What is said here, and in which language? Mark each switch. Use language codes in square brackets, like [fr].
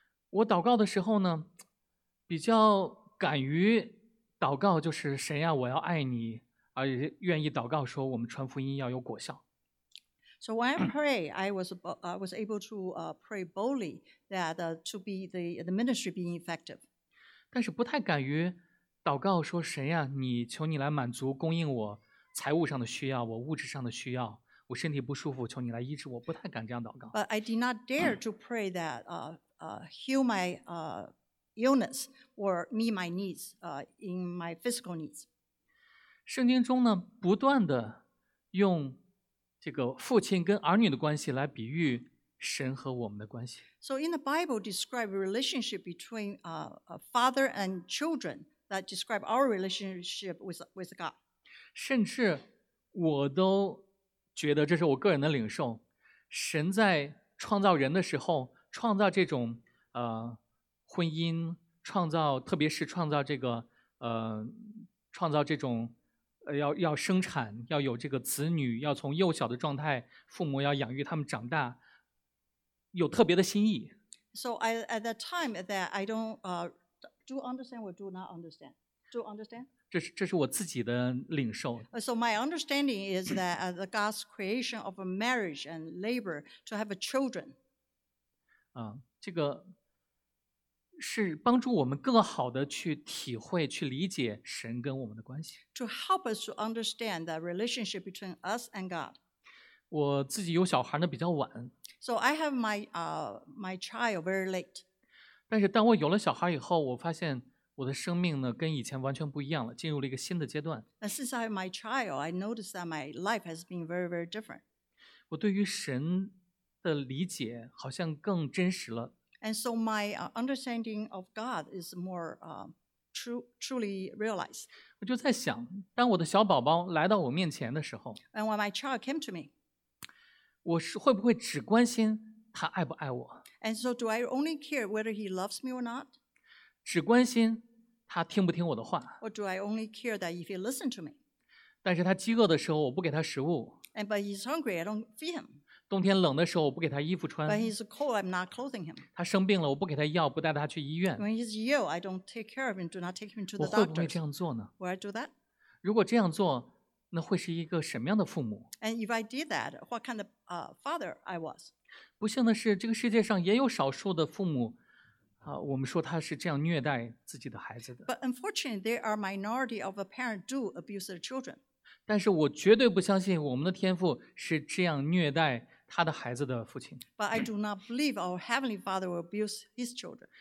[zh] 我祷告的时候呢，比较敢于祷告，就是神呀，我要爱你。而且愿意祷告说我们传福音要有果效。 [en] So when I pray, I was able to pray boldly that to be the ministry being effective. [zh] 但是不太敢于祷告说神呀，你求你来满足供应我财务上的需要，我物质上的需要，我身体不舒服，求你来医治我，不太敢这样祷告。 [en] But I did not dare to pray that heal my illness or meet my needs in my physical needs. [zh] 圣经中呢，不断的用这个父亲跟儿女的关系来比喻神和我们的关系。 [en] So in the Bible, describe a relationship between a father and children that describe our relationship with God. [zh] 甚至我都觉得这是我个人的领受。神在创造人的时候，创造这种婚姻，创造特别是创造这个创造这种。要生产，要有这个子女，要从幼小的状态，父母要养育他们长大，有特别的心意。 [en] So I, at that time that I don't do understand or do not understand. Do understand? [zh] 这是我自己的领受。 [en] So my understanding is that the God's creation of a marriage and labor to have a children. [zh] 这个是帮助我们更好的去体会去理解神跟我们的关系。 [en] To help us to understand the relationship between us and God. [zh] 我自己有小孩呢比较晚。 [en] So I have my child very late. [zh] 但是当我有了小孩以后，我发现我的生命呢跟以前完全不一样了，进入了一个新的阶段。 [en] And since I have my child, I noticed that my life has been very, very different. [zh] 我对于神的理解好像更真实了。 [en] And so my understanding of God is more truly realized. [zh] 我就在想，当我的小宝宝来到我面前的时候 [en] ，And when my child came to me, [zh] 我是会不会只关心他爱不爱我 [en] ？And so do I only care whether he loves me or not? [zh] 只关心他听不听我的话。 [en] Or do I only care that if he listen to me? [zh] 但是他饥饿的时候，我不给他食物。 [en] And but he's hungry, I don't feed him. [zh] 冬天冷的时候，我不给他衣服穿。 [en] When he's cold, I'm not clothing him. [zh] 他生病了，我不给他药，不带他去医院。 [en] When he's ill, I don't take care of him, do not take him to the doctor. [zh] 我会不会这样做呢 [en] ？Will I do that? [zh] 如果这样做，那会是一个什么样的父母 [en] ？And if I did that, what kind of father I was? [zh] 不幸的是，这个世界上也有少数的父母。我们说他是这样虐待自己的孩子的。 [en] But unfortunately, there are minority of a parent do abuse their children. [zh] 但是我绝对不相信我们的天父是这样虐待他的孩子的父亲。 [en] But I do not believe our heavenly Father will abuse his children.